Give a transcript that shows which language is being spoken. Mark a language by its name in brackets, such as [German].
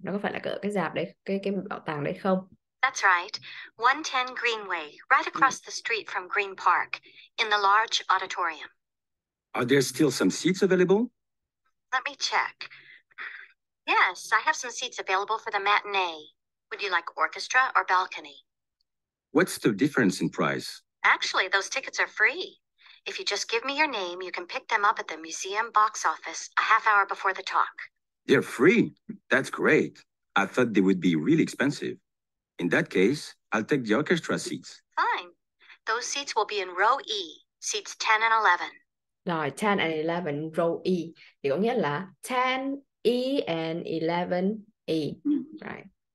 [Vietnamese] Nó có phải là ở cái dạp đấy, cái bảo tàng đấy không? [English] That's right. 110 Greenway, right across the street from Green Park, in the large auditorium. Are there still some seats available? Let me check. Yes, I have some seats available for the matinee. Would you like orchestra or balcony? What's the difference in price? Actually, those tickets are free. If you just give me your name, you can pick them up at the museum box office a half hour before the talk. They're free? That's great. I thought they would be really expensive. In that case, I'll take the orchestra seats. Fine. Those seats will be in row E, seats 10 and 11. Rồi, 10 and 11, row E. [Vietnamese] Thì có nghĩa là [English] 10 E and 11 E. Right.